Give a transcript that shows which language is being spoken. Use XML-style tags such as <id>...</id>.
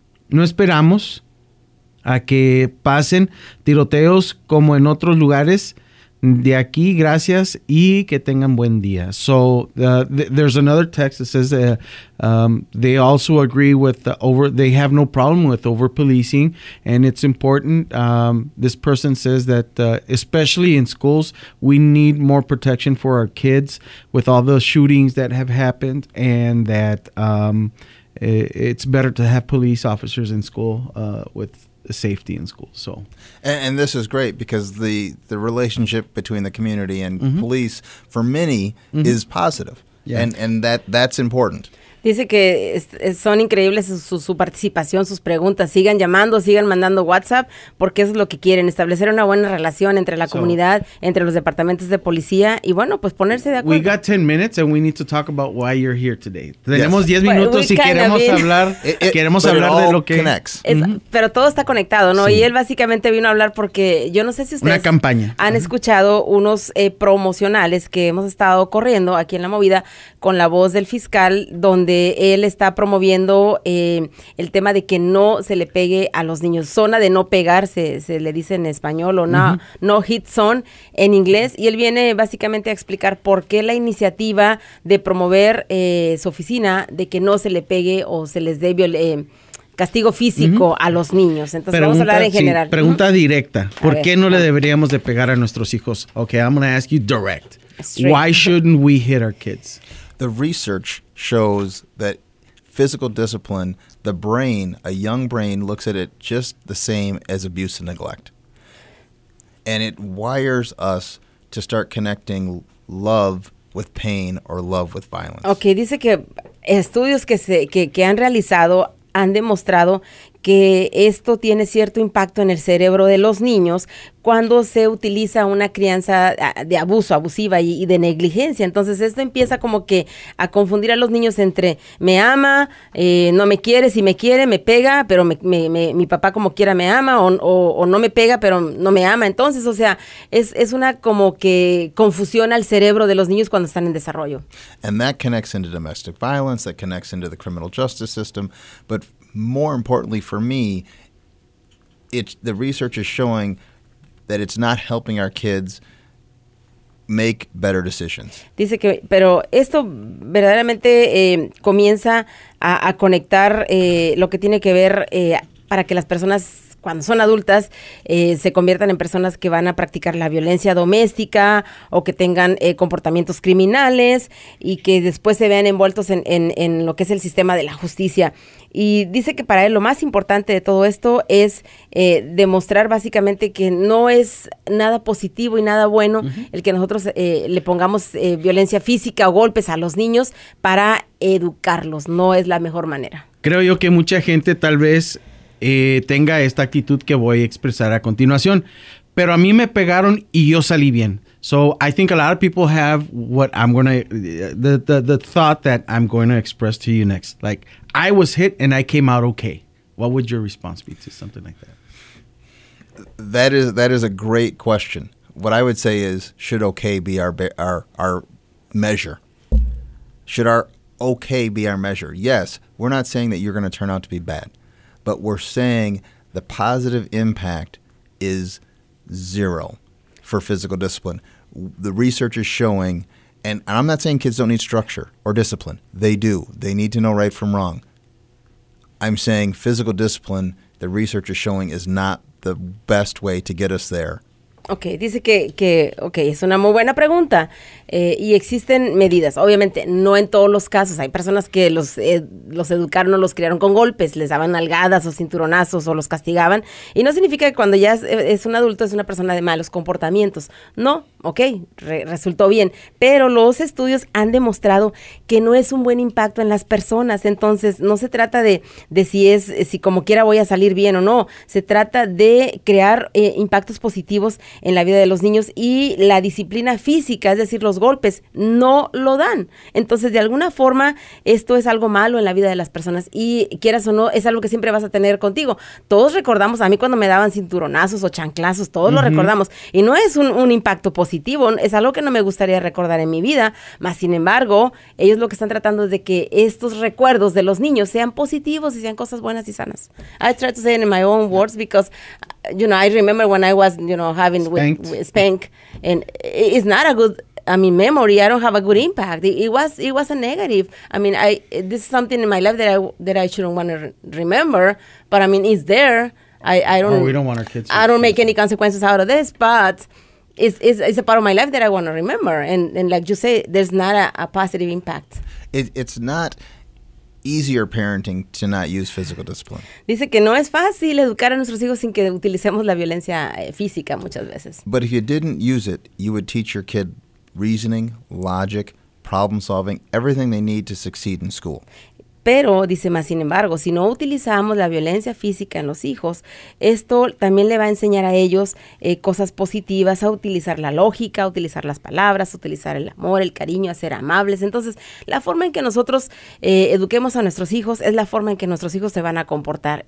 <es>No esperamos a que pasen tiroteos como en otros lugares. De aquí, gracias y que tengan buen día.</es> <en>So there's another text that says they also agree with they have no problem with over policing, and it's important. This person says that especially in schools, we need more protection for our kids with all the shootings that have happened, and that it's better to have police officers in school with safety in school. So, and this is great because the relationship between the community and police for many is positive, and that's important.</en> <es>Dice que son increíbles su participación, sus preguntas. Sigan llamando, sigan mandando WhatsApp, porque eso es lo que quieren, establecer una buena relación entre la comunidad, entre los departamentos de policía, y bueno, pues ponerse de acuerdo.</es> <en>We got 10 minutes and we need to talk about why you're here today.</en> <es>Tenemos 10 minutos y queremos hablar, queremos hablar de lo que... Pero todo está conectado, ¿no? Sí. Y él básicamente vino a hablar porque, yo no sé si ustedes... Una campaña. Han escuchado unos promocionales que hemos estado corriendo aquí en La Movida con la voz del fiscal, donde él está promoviendo el tema de que no se le pegue a los niños. Zona de no pegarse, se le dice en español, o no,</es> <en>no hit zone</en> <es>en inglés. Y él viene básicamente a explicar por qué la iniciativa de promover su oficina, de que no se le pegue o se les dé castigo físico a los niños. Entonces, vamos a hablar en general. Sí, pregunta directa. ¿Por qué no le deberíamos de pegar a nuestros hijos?</es> <en>Ok, I'm going to ask you direct. Straight. Why shouldn't we hit our kids? The research shows that physical discipline, the brain, a young brain, looks at it just the same as abuse and neglect. And it wires us to start connecting love with pain or love with violence.</en> <es>Okay, dice que estudios que han realizado han demostrado que esto tiene cierto impacto en el cerebro de los niños cuando se utiliza una crianza de abuso, abusiva y de negligencia. Entonces, esto empieza como que a confundir a los niños entre me ama, no me quiere, si me quiere, me pega, pero mi papá como quiera me ama, o no me pega, pero no me ama. Entonces, o sea, es una como que confusión al cerebro de los niños cuando están en desarrollo.</es> <en>And that connects into domestic violence, that connects into the criminal justice system, but more importantly for me, the research is showing that it's not helping our kids make better decisions.</en> <es>Dice que, pero esto verdaderamente comienza a conectar lo que tiene que ver para que las personas, cuando son adultas, se conviertan en personas que van a practicar la violencia doméstica o que tengan comportamientos criminales y que después se vean envueltos en lo que es el sistema de la justicia. Y dice que para él lo más importante de todo esto es demostrar básicamente que no es nada positivo y nada bueno el que nosotros le pongamos violencia física o golpes a los niños para educarlos. No es la mejor manera. Creo yo que mucha gente tal vez tenga esta actitud que voy a expresar a continuación. Pero a mí me pegaron y yo salí bien.</es> <en>So I think a lot of people have what I'm going to, the thought that I'm going to express to you next. Like, I was hit and I came out okay. What would your response be to something like that? That is a great question. What I would say is, should okay be our measure? Should our okay be our measure? Yes, we're not saying that you're going to turn out to be bad. But we're saying the positive impact is zero for physical discipline. The research is showing, and I'm not saying kids don't need structure or discipline. They do. They need to know right from wrong. I'm saying physical discipline, the research is showing, is not the best way to get us there.</en> <es>Okay, dice que es una muy buena pregunta y existen medidas. Obviamente, no en todos los casos. Hay personas que los educaron o los criaron con golpes, les daban nalgadas o cinturonazos o los castigaban. Y no significa que cuando ya es un adulto es una persona de malos comportamientos. No, okay, resultó bien. Pero los estudios han demostrado que no es un buen impacto en las personas. Entonces, no se trata de si como quiera voy a salir bien o no. Se trata de crear impactos positivos en la vida de los niños, y la disciplina física, es decir, los golpes, no lo dan. Entonces, de alguna forma, esto es algo malo en la vida de las personas, y quieras o no, es algo que siempre vas a tener contigo. Todos recordamos, a mí cuando me daban cinturonazos o chanclazos, todos lo recordamos, y no es un impacto positivo, es algo que no me gustaría recordar en mi vida, mas sin embargo, ellos lo que están tratando es de que estos recuerdos de los niños sean positivos y sean cosas buenas y sanas.</es> <en>I try to say it in my own words, because you know, I remember when I was, you know, having spanked, and it's not a good, I mean, memory. I don't have a good impact. It was a negative. I mean, this is something in my life that I shouldn't want to remember, but I mean, it's there. We don't want our kids. Make any consequences out of this, but it's a part of my life that I want to remember. And like you say, there's not a positive impact. It's not easier parenting to not use physical discipline.</en> <es>Dice que no es fácil educar a nuestros hijos sin que utilicemos la violencia física muchas veces.</es> <en>But if you didn't use it, you would teach your kid reasoning, logic, problem solving, everything they need to succeed in school.</en> <es>Pero, dice más, sin embargo, si no utilizamos la violencia física en los hijos, esto también le va a enseñar a ellos cosas positivas, a utilizar la lógica, a utilizar las palabras, a utilizar el amor, el cariño, a ser amables. Entonces, la forma en que nosotros eduquemos a nuestros hijos es la forma en que nuestros hijos se van a comportar.</es>